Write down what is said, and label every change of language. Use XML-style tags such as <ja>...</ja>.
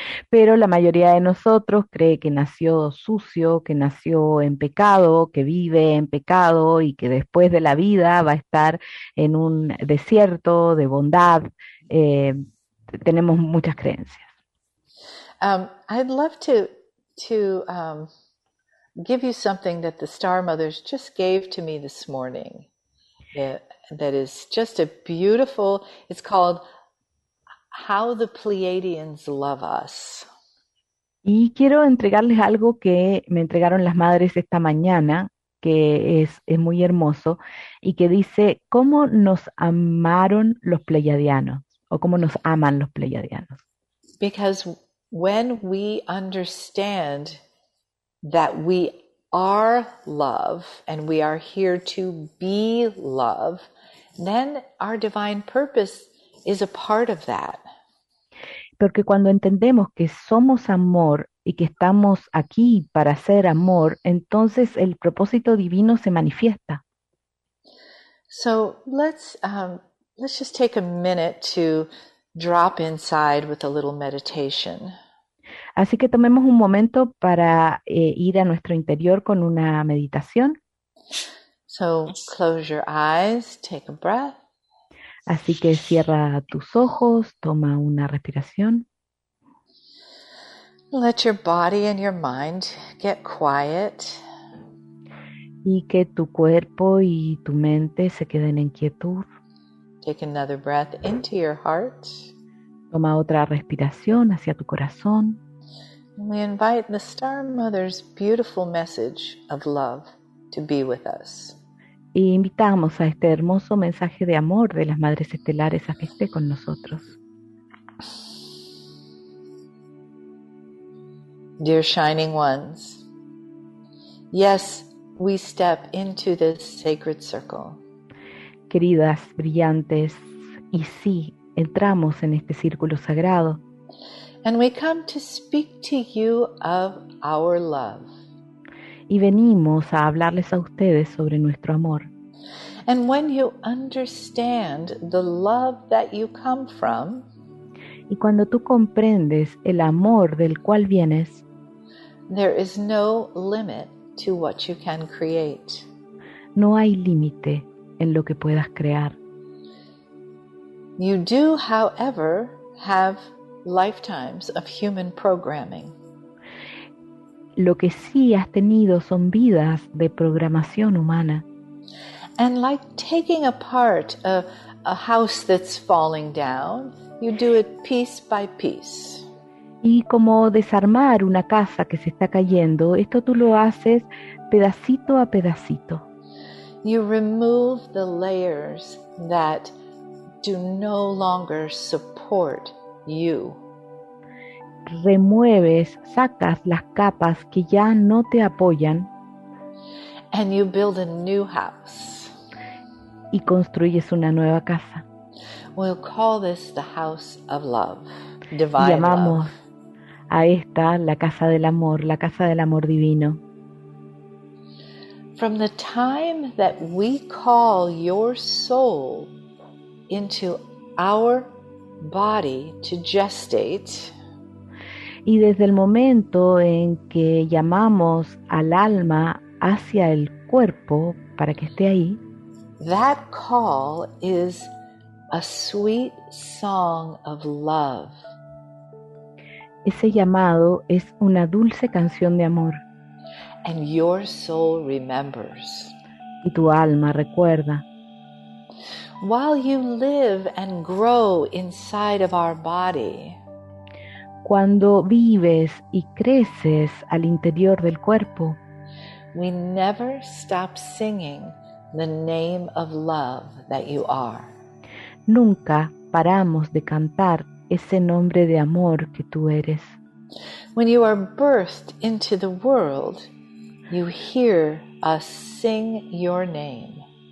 <es>Pero la mayoría de nosotros cree que nació sucio, que nació en pecado, que vive en pecado y que después de la vida va a estar en un desierto de bondad. Tenemos muchas creencias.</es> <en>I'd love to give you something that the Star Mothers just gave to me this morning. That is just a beautiful, it's called How the Pleiadians Love Us.</en> <es>Y quiero entregarles algo que me entregaron las madres esta mañana, que es muy hermoso, y que dice, ¿cómo nos amaron los pleiadianos? O ¿cómo nos aman los pleiadianos?</es> <en>Because when we understand that we are love, and we are here to be love, then our divine purpose is a part of that.</en> <es>Porque cuando entendemos que somos amor y que estamos aquí para ser amor, entonces el propósito divino se manifiesta.</es> <en>So let's just take a minute to drop inside with a little meditation.</en> <es>Así que tomemos un momento para ir a nuestro interior con una meditación.</es> <en>So close your eyes, take a breath.</en> <es>Así que cierra tus ojos, toma una respiración.</es> <en>Let your body and your mind get quiet.</en> <es>Y que tu cuerpo y tu mente se queden en quietud.</es> <en>Take another breath into your heart.</en> <es>Toma otra respiración hacia tu corazón.</es> <en>We invite the Star Mother's beautiful message of love to be with us.</en> <es>Y invitamos a este hermoso mensaje de amor de las Madres Estelares a que esté con nosotros.</es> <en>Dear Shining Ones, yes, we step into this sacred circle.</en> <es>Queridas brillantes, y sí, entramos en este círculo sagrado.</es> <en>And we come to speak to you of our love.</en> <es>Y venimos a hablarles a ustedes sobre nuestro amor.</es> <en>And when you understand the love that you come from,</en> <es>y cuando tú comprendes el amor del cual vienes,</es> <en>there is no limit to what you can create.</en> <es>No hay límite en lo que puedas crear.</es> <en>You do, however, have lifetimes of human programming.</en> <es>Lo que sí has tenido son vidas de programación humana.</es> <en>And like taking apart a house that's falling down, you do it piece by piece.</en> <es>Y como desarmar una casa que se está cayendo, esto tú lo haces pedacito a pedacito.</es> <en>you remove the layers that do no longer support you.</en> <es>Remueves, sacas las capas que ya no te apoyan.</es> <en>And you build a new house.</en> <es>Y construyes una nueva casa.</es> <en>We'll call this the house of love, divine love.</en> <es>Llamamos a esta la casa del amor divino.</es> <en>From the time that we call your soul into our body to gestate,</en> <es>y desde el momento en que llamamos al alma hacia el cuerpo para que esté ahí,</es> <en>that call is a sweet song of love.</en> <es>Ese llamado es una dulce canción de amor.</es> <en>And your soul remembers.</en> <es>Y tu alma recuerda.</es> <en>While you live and grow inside of our body,</en> <es>cuando vives y creces al interior del cuerpo,</es> <en>we never stop singing the name of love that you are.</en> <es>Nunca paramos de cantar ese nombre de amor que tú eres.</es> <en>When you are birthed into the world, you hear us sing your name.</en>